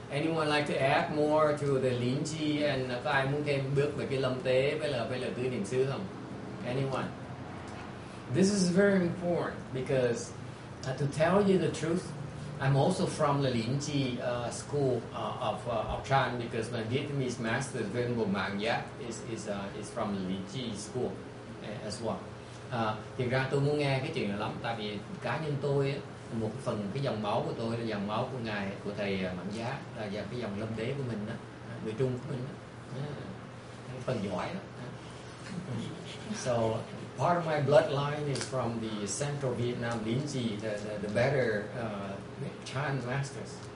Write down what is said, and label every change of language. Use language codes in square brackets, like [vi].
[en] Anyone like to add more to the lin chi? [vi] And có ai muốn thêm bước về cái lâm tế với là tứ niệm xứ không? [en] Anyone? This is very important because to tell you the truth, I'm also from the Lin Chi school of Chan, because my Vietnamese master Venerable Mạng Giác is from the Lin Chi school as well. [vi] Thì ra tôi muốn nghe cái chuyện này lắm, tại vì cá nhân tôi một phần cái dòng máu của tôi là dòng máu của ngài, của thầy Mạng Giác, là và cái dòng lâm đế của mình đó, người Trung của mình đó, phần giỏi đó. [en] So part of my bloodline is from the central Vietnam Lin Chi, the better Chan masters.